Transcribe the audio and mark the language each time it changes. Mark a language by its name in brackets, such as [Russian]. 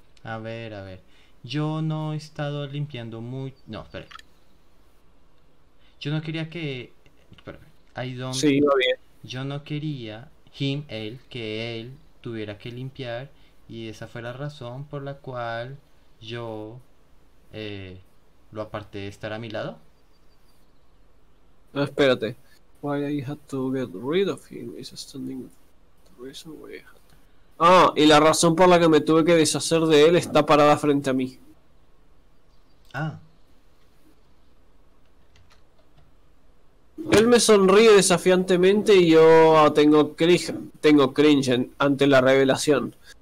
[Spanish] A ver, yo no he estado limpiando muy... No, espere. Yo no quería que... Espérame. [English] I don't... [Spanish] Sí, va bien. Yo no quería him, él, que él tuviera que limpiar y esa fue la razón por la cual yo lo aparté de estar a mi lado. No, espérate. [English] Why I had to get rid of him is astounding. The reason why I had to. [Spanish] Ah, y la razón por la que me tuve que deshacer de él está parada frente a mí. Ah. Él me sonríe desafiantemente y yo tengo cringe ante la revelación.